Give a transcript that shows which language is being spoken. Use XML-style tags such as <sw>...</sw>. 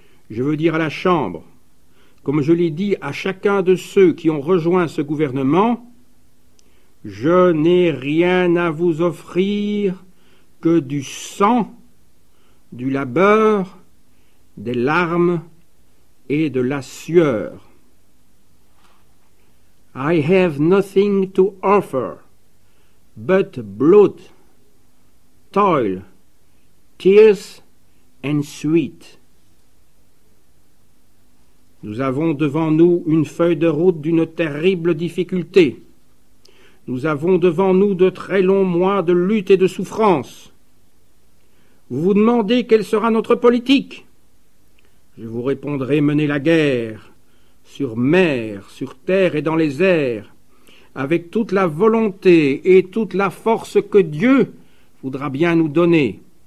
<fr>Je veux dire à la Chambre, comme je l'ai dit à chacun de ceux qui ont rejoint ce gouvernement, je n'ai rien à vous offrir que du sang, du labeur, des larmes et de la sueur.</fr> <en>I have nothing to offer but blood, toil, tears and sweat.</en> <fr>Nous avons devant nous une feuille de route d'une terrible difficulté. Nous avons devant nous de très longs mois de lutte et de souffrance. Vous vous demandez quelle sera notre politique. Je vous répondrai mener la guerre, sur mer, sur terre et dans les airs, avec toute la volonté et toute la force que Dieu voudra bien nous donner.</fr>